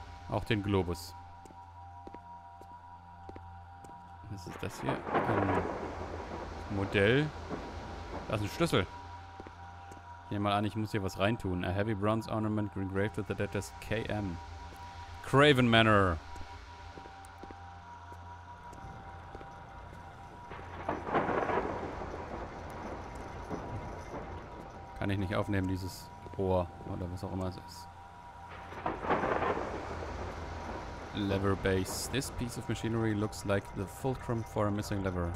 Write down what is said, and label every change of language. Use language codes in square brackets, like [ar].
[de] Auch den Globus. Was ist das hier? Ein Modell. Das ist ein Schlüssel. Ich nehme mal an, ich muss hier was reintun. [en] A heavy bronze ornament engraved with the letters KM. Craven Manor. [de] Kann ich nicht aufnehmen, dieses Rohr oder was auch immer es ist. [en] Lever base. This piece of machinery looks like the fulcrum for a missing lever.